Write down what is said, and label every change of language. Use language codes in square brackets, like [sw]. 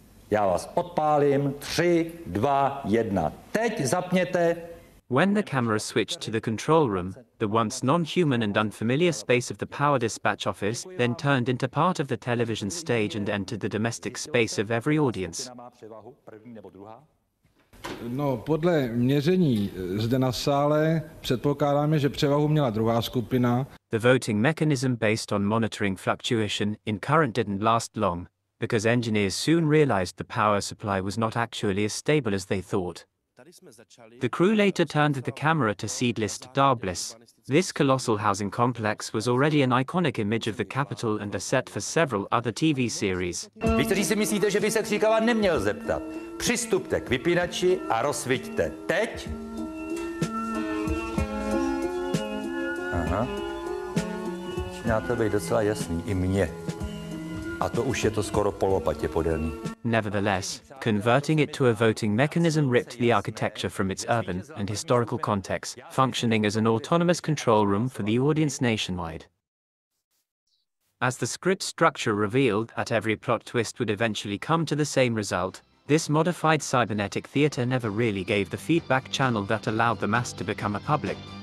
[cs] Já vás odpálím. 3, 2, 1. Teď zapněte. [en] When the camera switched to the control room, the once non-human and unfamiliar space of the power dispatch office then turned into part of the television stage and entered the domestic space of every audience. [cs] No, podle měření zde na sále předpokládáme, že převahu měla druhá skupina. [en] The voting mechanism based on monitoring fluctuation in current didn't last long, because engineers soon realized the power supply was not actually as stable as they thought. The crew later turned the camera to seedlist Darblis. This colossal housing complex was already an iconic image of the capital and a set for several other TV series. [cs] Vy, kteří si myslíte, že by se Křikava neměl zeptat, přistupte k vypínači a rozsviťte teď. Aha. Začíná to být docela jasný i mně. A to už je to skoro polopatě podelný. [en] Nevertheless, converting it to a voting mechanism ripped the architecture from its urban and historical context, functioning as an autonomous control room for the audience nationwide. As the script structure revealed that every plot twist would eventually come to the same result, this modified cybernetic theater never really gave the feedback channel that allowed the mass to become a public.